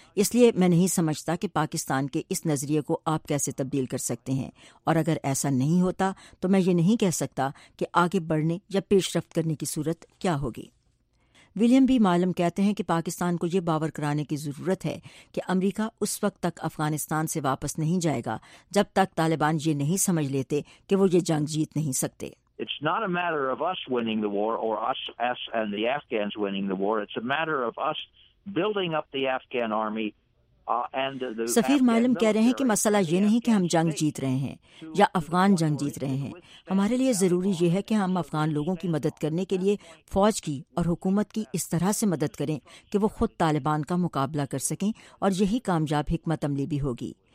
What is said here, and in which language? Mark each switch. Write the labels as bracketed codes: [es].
[ur] اس لیے میں نہیں سمجھتا کہ پاکستان کے اس نظریے کو آپ کیسے تبدیل کر سکتے ہیں, اور اگر ایسا نہیں ہوتا تو میں یہ نہیں کہہ سکتا کہ آگے بڑھنے یا پیش رفت کرنے کی صورت کیا ہوگی. ولیم بی مالم کہتے ہیں کہ پاکستان کو یہ باور کرانے کی ضرورت ہے کہ امریکہ اس وقت تک افغانستان سے واپس نہیں جائے گا جب تک طالبان یہ نہیں سمجھ لیتے کہ وہ یہ جنگ جیت نہیں سکتے. [en] It's not a matter of us winning the war or us and the Afghans winning the war. It's a matter of us building up the Afghan army. [ur] سفیر مالم کہہ رہے ہیں کہ مسئلہ یہ نہیں کہ ہم جنگ جیت رہے ہیں یا افغان جنگ جیت رہے ہیں. ہمارے لیے ضروری یہ ہے کہ ہم افغان لوگوں کی مدد کرنے کے لیے فوج کی اور حکومت کی اس طرح سے مدد کریں کہ وہ خود طالبان کا مقابلہ کر سکیں, اور یہی کامیاب حکمت عملی بھی ہوگی.